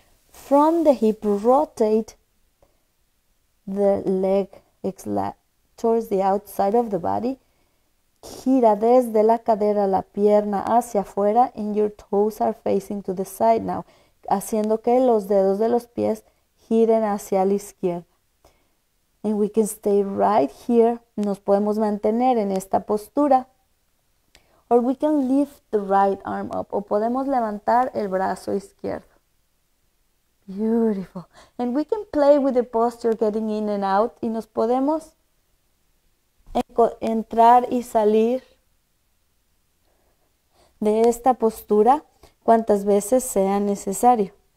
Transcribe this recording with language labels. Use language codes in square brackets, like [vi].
[en] From the hip, rotate the leg towards the outside of the body. [es] Gira desde la cadera la pierna hacia afuera. [en] And your toes are facing to the side now. [es] Haciendo que los dedos de los pies giren hacia la izquierda. [en] And we can stay right here. [es] Nos podemos mantener en esta postura. [en] Or we can lift the right arm up. [es] O podemos levantar el brazo izquierdo. [en] Beautiful. And we can play with the posture getting in and out. [es] Y nos podemos entrar y salir de esta postura. Cuantas veces sea necesario.